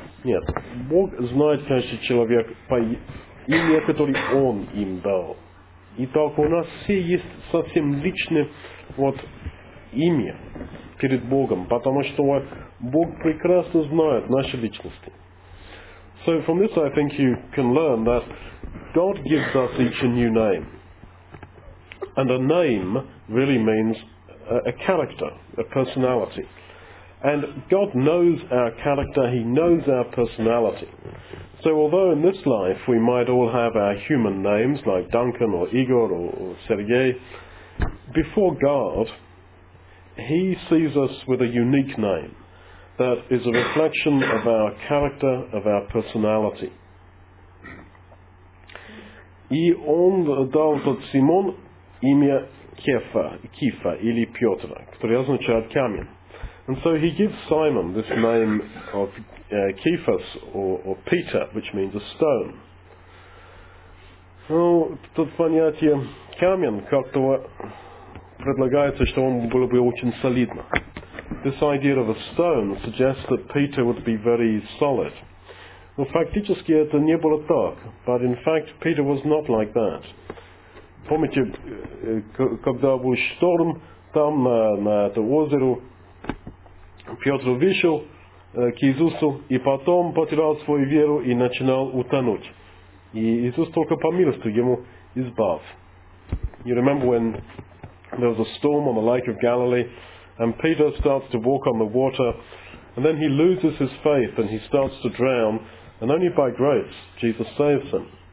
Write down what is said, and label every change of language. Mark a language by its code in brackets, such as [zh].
[ru] Нет, Бог знает каждый человек по имени, который Он им дал. И так у нас все есть совсем личные вот имя перед Богом, потому что Бог прекрасно знает наши личности. [en] So from this I think you can learn that God gives us each a new name. And a name really means a character, a personality. And God knows our character, He knows our personality. So although in this life we might all have our human names like Duncan or Igor or Sergei, before God, He sees us with a unique name that is a reflection of our character, of our personality. [ru] И он дал тот Симон имя Кефа, Кифа или Петра, который означает камень. [en] And so he gives Simon this name of Kephas or Peter, which means a stone. [ru] Ну, тут понятие камень как-то предлагается, что он был бы очень солидно. [en] This idea of a stone suggests that Peter would be very solid. [ru] Но фактически это не было так. [en] But in fact, Peter was not like that. [ru] Помните, когда был шторм там на это озеро, Петр вышел к Иисусу и потом потерял свою веру и начинал утонуть. И Иисус только по милости ему избав. [en] You remember when there was a storm on the Lake of Galilee and Peter starts to walk on the water and then he loses his faith and he starts to drown and only by grace Jesus saves him.